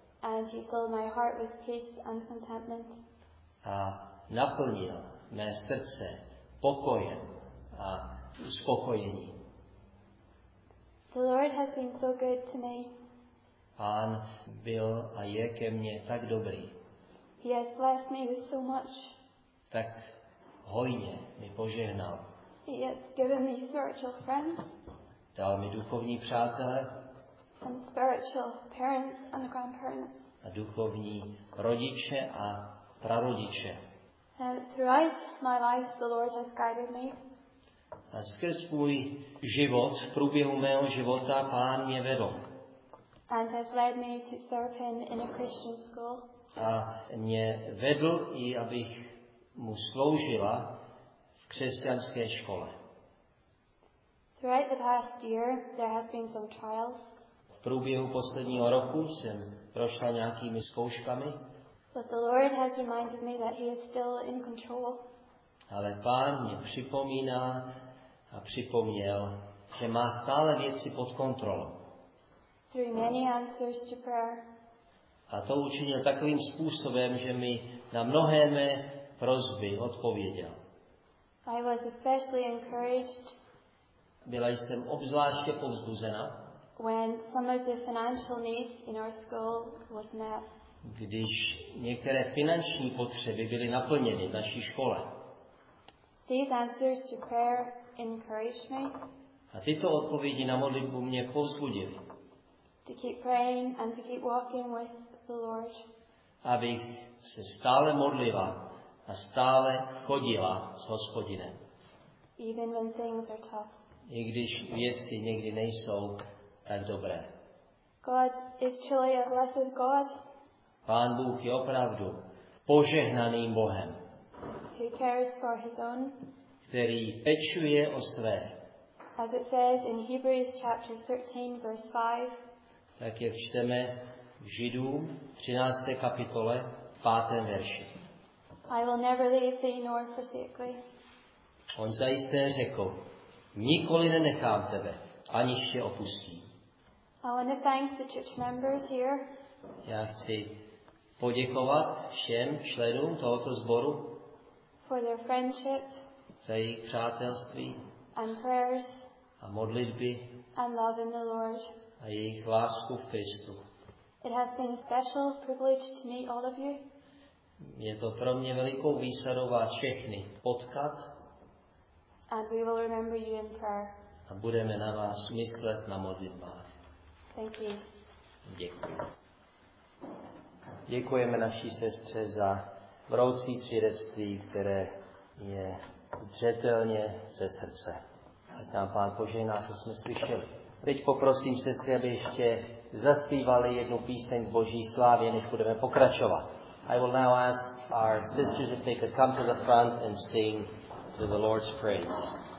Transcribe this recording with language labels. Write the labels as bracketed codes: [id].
[en] And he filled my heart with peace and contentment. [cs] A naplnil mé srdce pokojem a uspokojením. [en] The Lord has been so good to me. [cs] Pán byl a je ke mně tak dobrý. [en] He has blessed me with so much. [cs] Tak hojně mi požehnal. [en] He has given me spiritual friends. [cs] Dal mi duchovní přátelé. [en] And spiritual parents and grandparents. [cs] A duchovní rodiče a prarodiče. [en] Throughout my life, the Lord has guided me. [cs] A skrz svůj život, v průběhu mého života, Pán mě vedl. [en] And has led me to serve him in a Christian school. [cs] A mě vedl i abych mu sloužila v křesťanské škole. [en] Throughout the past year, there has been some trials. [cs] V průběhu posledního roku jsem prošla nějakými zkouškami. [en] But the Lord has reminded me that he is still in control. [cs] Ale Pán mě připomíná a připomněl, že má stále věci pod kontrolou. [en] Through many answers to prayer. [cs] A to učinil takovým způsobem, že mi na mnohé mé prosby odpověděl. [en] I was especially encouraged. [cs] Byla jsem obzvláště povzbuzena. [en] When some of the financial needs in our school was met. [cs] Když některé finanční potřeby byly naplněny v naší škole. [en] These answers to prayer encouraged me. [cs] A tyto odpovědi na modlitbu mě povzbudily. [en] To keep praying and to keep walking with the Lord. [cs] Abych se stále modlila a stále chodila s Hospodinem. [en] Even when things are tough. [cs] I když věci někdy nejsou tak dobré. [en] God is truly a blessed God. [cs] Pán Bůh je opravdu požehnaným Bohem. [en] He cares for his own. [cs] Který pečuje o své. [en] As it says in Hebrews chapter 13 verse 5. [cs] Tak jak čteme v Židům 13. kapitole 5. verši. [en] I will never leave thee nor forsake thee. [cs] On zajisté řekl, nikoli nenechám tebe, aniž tě opustím. [en] I want to thank the church members here. [cs] Já chci poděkovat všem členům tohoto sboru [en] for their friendship, [cs] za jejich přátelství [en] and prayers, [cs] a modlitby [en] and love in the Lord. [cs] A jejich lásku v Kristu. [en] It has been a special privilege to meet all of you. [cs] Je to pro mě velikou výsadou vás všechny potkat. [en] And we will remember you in prayer. [cs] A budeme na vás myslet na modlitbách. [en] Thank you. [cs] Děkuji. Děkujeme naší sestře za vroucí svědectví, které je zřetelně ze srdce. Ať nám Pán požehná, co jsme slyšeli. Teď poprosím sestry, aby ještě zaspívali jednu píseň Boží slávě, než budeme pokračovat. [en] I will now ask our sisters if they could come to the front and sing to the Lord's praise.